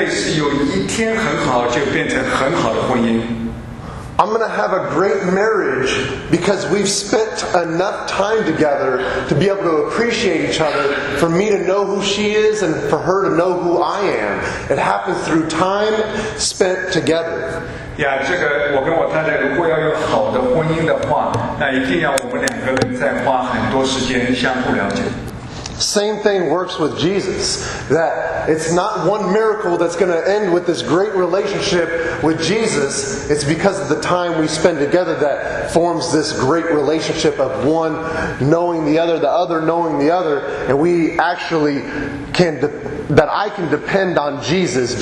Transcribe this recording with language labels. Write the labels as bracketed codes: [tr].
[zh] 比如说以我的婚姻来做例子，我的婚姻不会是有一天很好就变成很好的婚姻。 [en] I'm going to have a great marriage because we've spent enough time together to be able to appreciate each other, for me to know who she is and for her to know who I am. It happens through time spent together. [zh] Yeah, 这个我跟我太太如果要有好的婚姻的话，那一定要我们两个人再花很多时间相互了解。 [en] Same thing works with Jesus, that it's not one miracle that's going to end with this great relationship with Jesus. It's because of the time we spend together that forms this great relationship of one knowing the other knowing the other, and we actually can, that I can depend on Jesus.